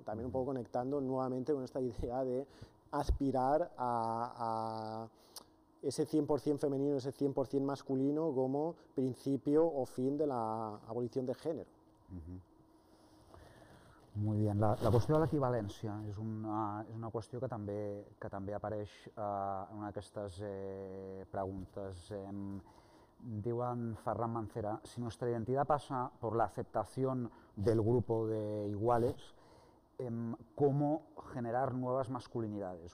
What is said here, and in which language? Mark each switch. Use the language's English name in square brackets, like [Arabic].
[Spanish] También un poco conectando nuevamente con esta idea de aspirar a ese 100% femenino, ese 100% masculino como principio o fin de la abolición de género. Muy bien, [Catalan] la qüestió de l'equivalència és una qüestió que també apareix en una d'aquestes preguntes. [Spanish] Diuen Ferran Mancera, si nuestra identidad pasa por la aceptación del grupo de iguales, ¿cómo generar nuevas masculinidades?